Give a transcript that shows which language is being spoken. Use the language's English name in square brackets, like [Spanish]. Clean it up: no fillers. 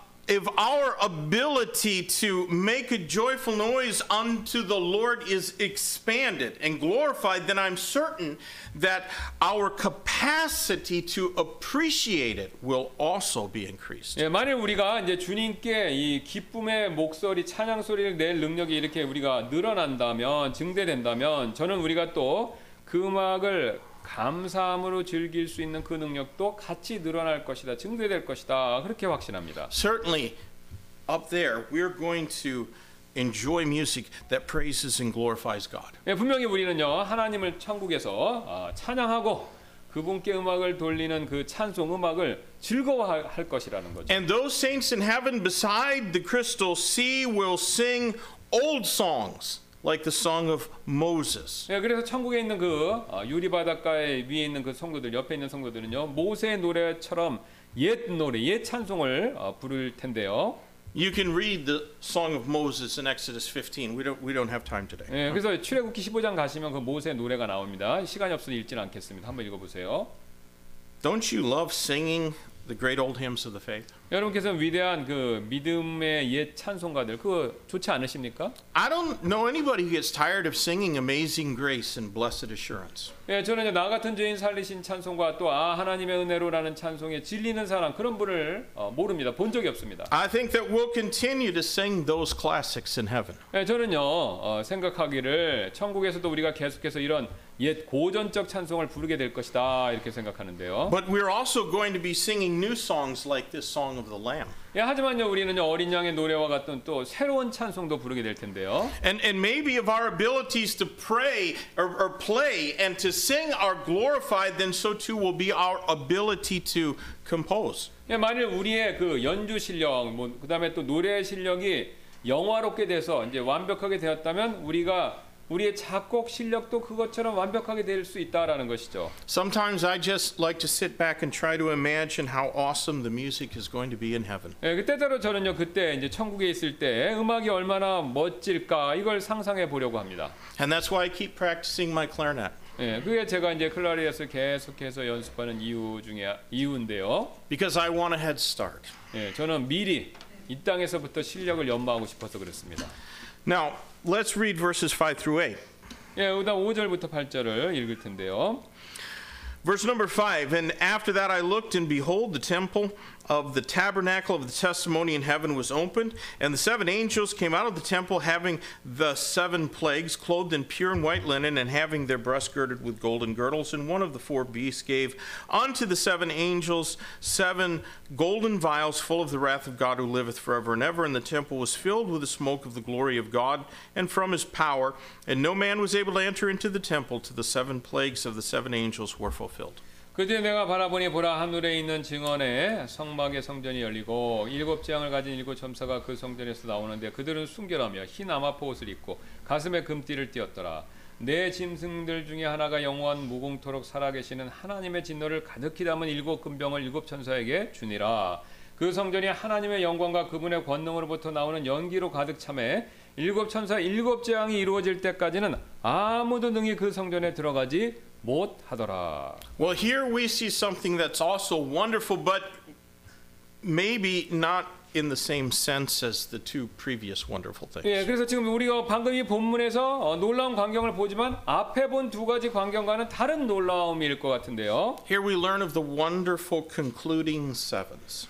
[English] If our ability to make a joyful noise unto the Lord is expanded and glorified, then I'm certain that our capacity to appreciate it will also be increased. [Korean] 예, 만일 우리가 이제 주님께 이 기쁨의 목소리, 찬양 소리를 낼 능력이 이렇게 우리가 늘어난다면, 증대된다면, 저는 우리가 또 그 음악을 감사함으로 즐길 수 있는 그 능력도 같이 늘어날 것이다, 증대될 것이다, 그렇게 확신합니다. [English] Certainly, up there, we're going to enjoy music that praises and glorifies God. [Korean] 예, 분명히 우리는요 하나님을 천국에서 찬양하고 그분께 음악을 돌리는 그 찬송 음악을 즐거워할 것이라는 거죠. [English] And those saints in heaven beside the crystal sea will sing old songs. Like the song of Moses. [Korean] 예, 그래서 천국에 있는 그 유리 바닷가에 위에 있는 그 성도들, 옆에 있는 성도들은요, 모세의 노래처럼 옛 노래, 옛 찬송을 부를 텐데요. [English] You can read the song of Moses in Exodus 15. We don't have time today. [Korean] 예, 그래서 출애굽기 15장 가시면 그 모세의 노래가 나옵니다. 시간이 없어서 읽지는 않겠습니다. 한번 읽어보세요. [English] Don't you love singing the great old hymns of the faith? [Korean] 여러분께서 위대한 그 믿음의 옛 찬송가들 그거 좋지 않으십니까? [English] I don't know anybody who gets tired of singing Amazing Grace and Blessed Assurance. [Korean] 예, 저는 이제 나 같은 죄인 살리신 찬송과 또 아 하나님의 은혜로라는 찬송에 질리는 사람 그런 분을 모릅니다. 본 적이 없습니다. [English] I think that we'll continue to sing those classics in heaven. [Korean] 예, 저는요 생각하기를 천국에서도 우리가 계속해서 이런 옛 고전적 찬송을 부르게 될 것이다 이렇게 생각하는데요. [English] But we're also going to be singing new songs like this song. Of the Lamb. [Korean] 예, 하지만요 우리는요 어린 양의 노래와 같은 또 새로운 찬송도 부르게 될 텐데요. [English] And maybe if our abilities to pray or play and to sing are glorified, then so too will be our ability to compose. [Korean] 예, 만일 우리의 그 연주 실력, 뭐 그다음에 또 노래 실력이 영화롭게 돼서 이제 완벽하게 되었다면 우리가 우리의 작곡 실력도 그것처럼 완벽하게 될 수 있다라는 것이죠. [English] Sometimes I just like to sit back and try to imagine how awesome the music is going to be in heaven. [Korean] 예, 그때대로 저는요 그때 이제 천국에 있을 때 음악이 얼마나 멋질까 이걸 상상해 보려고 합니다. [English] And that's why I keep practicing my clarinet. [Korean] 예, 그게 제가 이제 클라리넷을 계속해서 연습하는 이유 중에 이유인데요. [English] Because I want a head start. [Korean] 예, 저는 미리 이 땅에서부터 실력을 연마하고 싶어서 그렇습니다. [English] Now, let's read verses 5 through 8. [Korean] 예, 우선 5절부터 8절을 읽을 텐데요. [English] Verse number 5, and after that I looked and behold the temple of the tabernacle of the testimony in heaven was opened, and the seven angels came out of the temple having the seven plagues, clothed in pure and white linen, and having their breasts girded with golden girdles, and one of the four beasts gave unto the seven angels seven golden vials full of the wrath of God who liveth forever and ever, and the temple was filled with the smoke of the glory of God and from his power, and no man was able to enter into the temple till the seven plagues of the seven angels were fulfilled. [Korean] 그때 내가 바라보니 보라 하늘에 있는 증언에 성막의 성전이 열리고 일곱 지향을 가진 일곱 천사가 그 성전에서 나오는데 그들은 순결하며 흰 아마포 옷을 입고 가슴에 금띠를 띄었더라. 내 짐승들 중에 하나가 영원 무궁토록 살아계시는 하나님의 진노를 가득히 담은 일곱 금병을 일곱 천사에게 주니라. 그 성전이 하나님의 영광과 그분의 권능으로부터 나오는 연기로 가득 참에 일곱 천사 일곱 지향이 이루어질 때까지는 아무도 능히 그 성전에 들어가지 못하더라. [English] Well, here we see something that's also wonderful, but maybe not in the same sense as the two previous wonderful things. [Korean] 예, 그래서 지금 우리가 방금 이 본문에서 놀라운 광경을 보지만 앞에 본 두 가지 광경과는 다른 놀라움일 것 같은데요. [English] Here we learn of the wonderful concluding sevens.